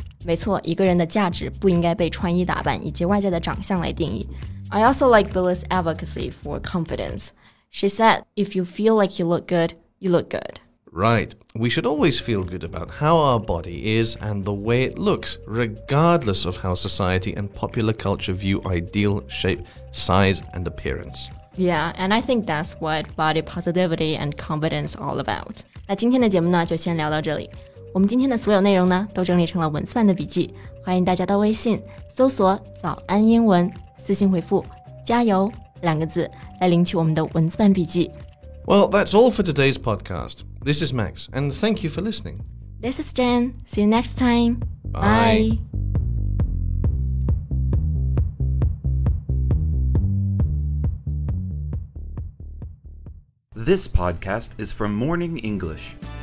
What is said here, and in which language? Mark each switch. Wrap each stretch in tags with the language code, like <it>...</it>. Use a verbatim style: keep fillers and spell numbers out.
<zh>没错，一个人的价值不应该被穿衣打扮以及外在的长相来定义。</zh> <en>I also like Billie's advocacy for confidence. She said, if you feel like you look good, you look good. Right. We should always feel good about how our body is and the way it looks, regardless of how society and popular culture view ideal shape, size, and appearance. Yeah, and I think that's what body positivity and confidence all about.</en> <zh>那今天的节目呢，就先聊到这里。我们今天的所有内容呢，都整理成了文字版的笔记，欢迎大家到微信搜索“早安英文”，私信回复“加油”两个字来领取我们的文字版笔记。</zh> <en>Well, that's all for today's podcast. This is Max, and thank you for listening. This is Jen. See you next time. Bye. Bye. This podcast is from Morning English.</en>